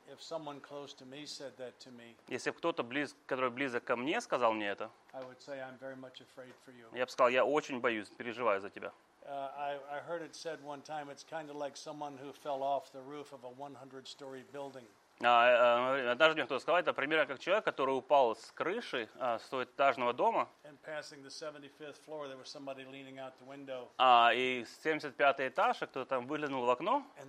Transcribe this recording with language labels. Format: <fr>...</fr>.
<en>If someone close to me said that to me,</en> <ru>если кто-то близок ко мне сказал мне это,</ru> <en>I would say I'm very much afraid for you.</en> <ru>Я бы сказал, я очень боюсь, переживаю за тебя.</ru> <en>I heard it said one time, it's kind of like someone who fell off the roof of a 100-story building.</en> <ru>Однажды мне кто-то сказал, это примерно как человек, который упал с крыши стоэтажного дома. И 75-й этаж, кто-то там выглянул в окно.</ru>